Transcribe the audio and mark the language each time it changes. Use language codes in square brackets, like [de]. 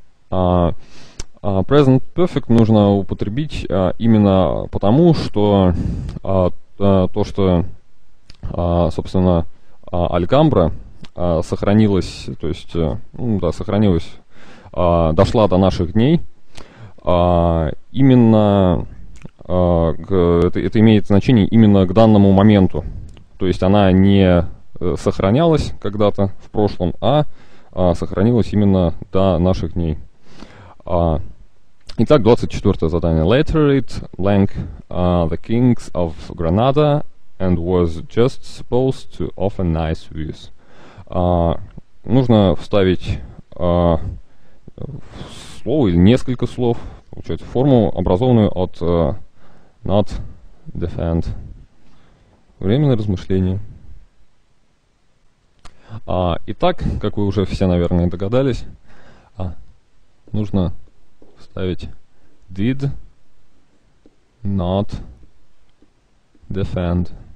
[ru] Present perfect нужно употребить именно потому, что то, что собственно Alhambra сохранилась, то есть дошла до наших дней, именно это имеет значение именно к данному моменту. То есть она не сохранялась когда-то в прошлом, а сохранилась именно до наших дней. Итак, 24-е задание. [en] Later it blank the kings of Granada and was just supposed to offer nice views. [ru] Нужно вставить слово или несколько слов, получается форму, образованную от not defend. Временное размышление. Итак, как вы уже все, наверное, догадались, нужно вставить did not defend.